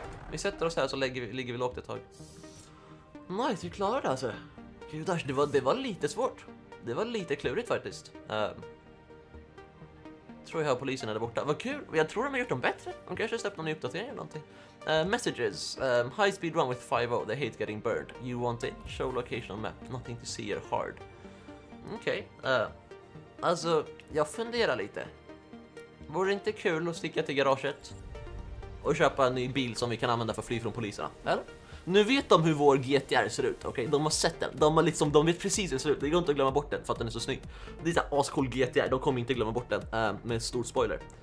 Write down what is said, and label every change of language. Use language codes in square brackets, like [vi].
[sv] Vi sätter oss här så ligger vi lågt ett tag. Nice, vi klarade det alltså. Gudars, det var lite svårt. Det var lite klurigt faktiskt. Tror jag har polisen där borta. Vad kul, jag tror de har gjort dem bättre. De kanske har släppt någon ny uppdatering eller någonting. [en] Messages. High speed run with 5-0, they hate getting burned. You want it, show location on map. Nothing to see here hard. [sv] Okej. Alltså, jag funderar lite. Vore det inte kul att sticka till garaget och köpa en ny bil som vi kan använda för att fly från poliserna, eller? Nu vet de hur vår GTR ser ut, okej? [en] Okay? [sv] De har sett den, de vet precis hur den ser ut. Det går inte att glömma bort den för att den är så snygg. Det är en ascool GTR, de kommer inte glömma bort den, med en stor spoiler.